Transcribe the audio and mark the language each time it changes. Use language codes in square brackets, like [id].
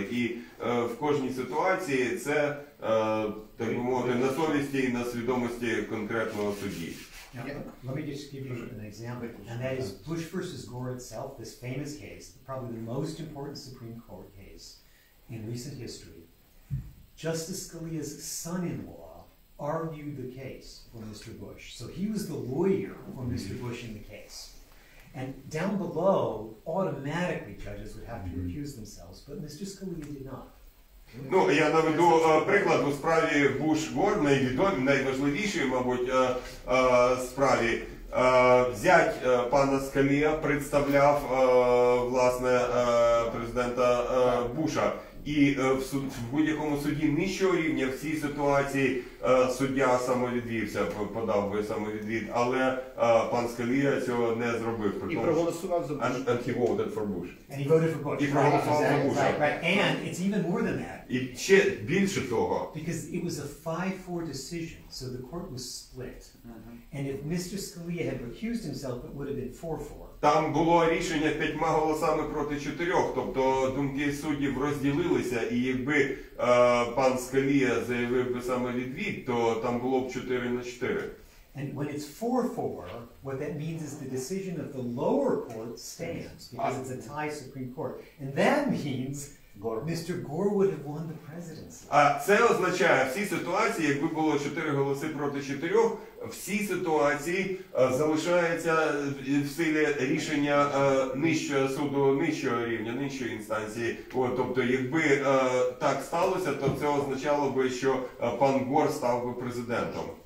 [uk] І в кожній ситуації це, так би мовити, на совісті і на свідомості конкретного судді. [en] Now, let me just give you an example, and that is Bush versus Gore itself, this famous case, probably the most important Supreme Court case in recent history. Justice Scalia's son-in-law argued the case for Mr. Bush. So he was the lawyer for Mr. Bush in the case. And down below, automatically judges would have to recuse themselves, but Mr. Scalia did not. [uk] Ну, я наведу приклад у справі Буш-Гор, найвідомій, найважливішій, мабуть, справі. Зять пана Скалія представляв, власне, президента Буша. І в будь-якому суді нижчого рівня в цій ситуації суддя самовідвівся, подав би самовідвід, але пан Скалія цього не зробив. І проголосував за Буш. [en] And he voted for Bush. And he voted for Bush. [uk] І проголосував за Буша. [en] And it's even more than that. [uk] І ще більше того. [en] Because it was a 5-4 decision, so the court was split. And if Mr. Scalia had recused himself, it would have been 4-4. [uk] Там було рішення 5-4, тобто думки суддів розділилися, і якби пан Скалія заявив би самовідвід, то там було б 4-4. [en] And when it's 4-4, what that means is the decision of the lower court stands, because it's a tie Supreme Court. And that means Gore. Mr. Gore would have won the presidency. [uk] А це означає, всі ситуації, якби було 4-4, всі ситуації залишається в силі рішення нижчого суду, нижчого рівня, нижчої інстанції. О, тобто, якби так сталося, то це означало би, що пан Гор став би президентом.